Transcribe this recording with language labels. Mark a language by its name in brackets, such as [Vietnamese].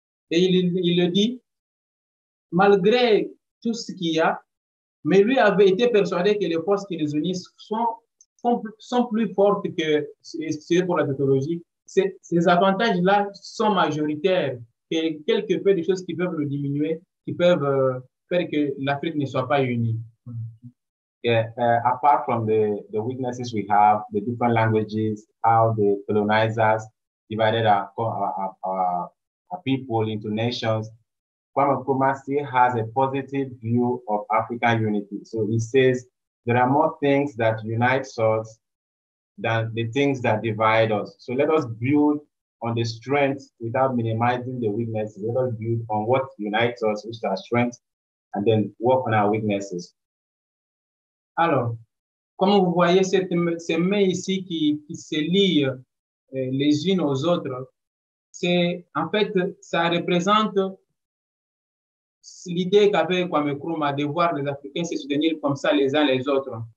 [French] Et il le dit, malgré tout ce qu'il y a, mais lui avait été persuadé que les forces qui les unissent sont plus fortes que, c'est pour la technologie, ces avantages-là sont majoritaires, et quelque peu des choses qui peuvent le diminuer, qui peuvent faire que l'Afrique ne soit pas unie. [English] Apart from the weaknesses we have, the different languages, how the colonizers divided our people into nations, Kwame Nkrumah still has a positive view of African unity. So he says there are more things that unite us than the things that divide us. So let us build on the strengths without minimizing the weaknesses. Let us build on what unites us, which are strengths, and then work on our weaknesses. [French] Alors, comme vous voyez ces mains ici qui se lient les unes aux autres, c'est en fait, ça représente l'idée qu'avait Kwame Nkrumah de voir les Africains se soutenir comme ça les uns les autres.